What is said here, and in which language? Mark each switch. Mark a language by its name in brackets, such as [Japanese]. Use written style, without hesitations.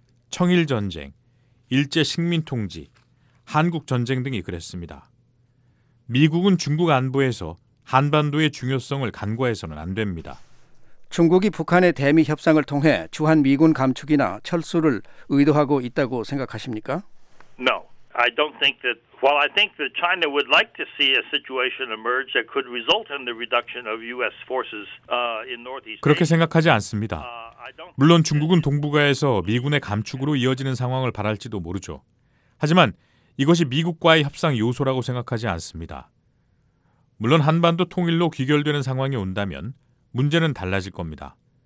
[Korean] 청일전쟁, 일제식민통지, 한국전쟁 등이 그랬습니다. 미국은 중국 안보에서 한반도의 중요성을 간과해서는 안 됩니다. 중국이 북한의 대미 협상을 통해 주한미군 감축이나 철수를 의도하고 있다고 생각하십니까? [English] No, I don't think that. Well, I think that China would like to see a situation emerge that could result in the reduction of U.S. forces in Northeast. [Korean] 그렇게 생각하지 않습니다. 물론 중국은 동북아에서 미군의 감축으로 이어지는 상황을 바랄지도 모르죠. 하지만 이것이 미국과의 협상 요소라고 생각하지 않습니다. 물론 한반도 통일로 귀결되는 상황이 온다면 문제는 달라질 겁니다.